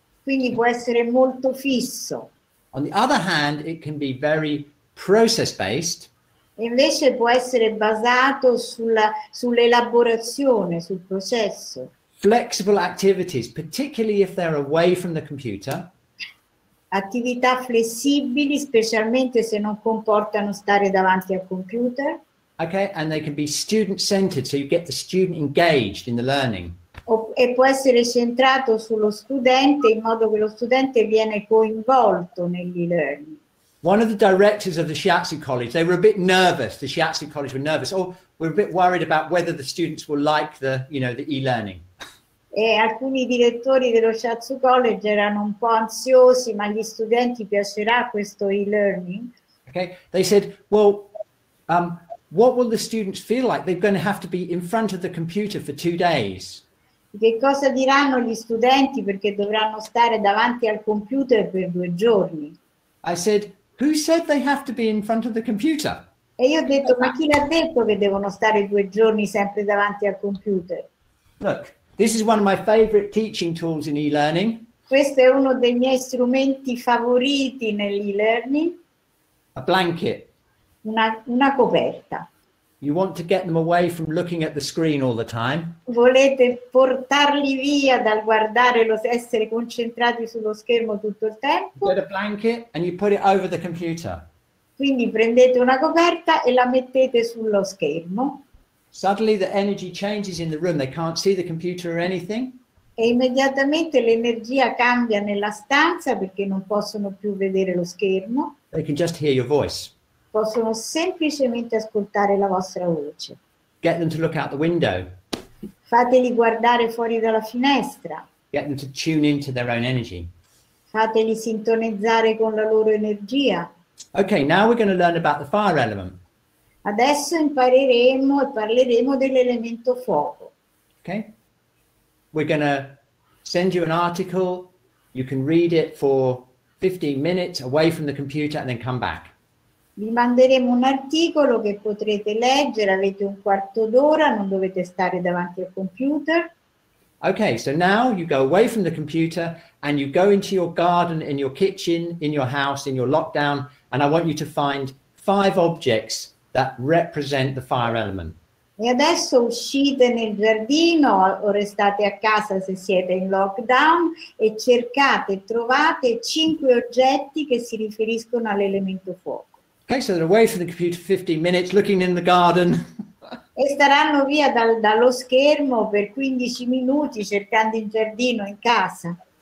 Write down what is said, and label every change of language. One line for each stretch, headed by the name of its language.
Italian: Quindi può essere molto fisso.
English: On the other hand, it can be very process-based.
Italian: Invece può essere basato sull'elaborazione, sul processo.
English: Flexible activities, particularly if they're away from the computer.
Italian: Attività flessibili, specialmente se non comportano stare davanti al computer.
English: Okay, and they can be student-centered, so you get the student engaged in the learning.
Italian: E può essere centrato sullo studente, in modo che lo studente viene coinvolto nell'e-learning.
English: One of the directors of the Shiatsu College, they were a bit nervous. The Shiatsu College were nervous. Or were a bit worried about whether the students will like the, you know, the e-learning.
Italian: E alcuni direttori dello Shiatsu College erano un po' ansiosi, ma gli studenti piacerà questo e-learning?
English: Okay, they said, well, what will the students feel like? They're going to have to be in front of the computer for 2 days.
Italian: Che cosa diranno gli studenti perché dovranno stare davanti al computer per 2 giorni?
English: I said, who said they have to be in front of the computer?
Italian: E io ho detto, ma chi l'ha detto che devono stare 2 giorni sempre davanti al computer?
English: Look, this is one of my favorite teaching tools in e-learning.
Italian: Questo è uno dei miei strumenti favoriti nell'e-learning.
English: A blanket.
Italian: Una coperta.
English: You want to get them away from looking at the screen all the time.
Italian: Volete portarli via dal guardare, essere concentrati sullo schermo tutto il tempo.
English: You get a blanket and you put it over the computer.
Italian: Quindi prendete una coperta e la mettete sullo schermo.
English: Suddenly the energy changes in the room. They can't see the computer or anything.
Italian: E immediatamente l'energia cambia nella stanza perché non possono più vedere lo schermo.
English: They can just hear your voice.
Italian: Possono semplicemente ascoltare la vostra voce.
English: Get them to look out the window.
Italian: Fateli guardare fuori dalla finestra.
English: Get them to tune into their own energy.
Italian: Fateli sintonizzare con la loro energia.
English: Okay, now we're going to learn about the fire element.
Italian: Adesso impareremo e parleremo dell'elemento fuoco.
English: Okay. We're going to send you an article. You can read it for 15 minutes away from the computer and then come back.
Italian: Vi manderemo un articolo che potrete leggere, avete un quarto d'ora, non dovete stare davanti al computer.
English: Okay, so now you go away from the computer and you go into your garden, in your kitchen, in your house, in your lockdown, and I want you to find 5 objects that represent the fire element.
Italian: E adesso uscite nel giardino o restate a casa se siete in lockdown e cercate, trovate 5 oggetti che si riferiscono all'elemento fuoco.
English: Okay, so they're away from the computer 15 minutes, looking in the garden.
Italian: E staranno via dallo schermo per 15 minuti cercando in giardino, in casa.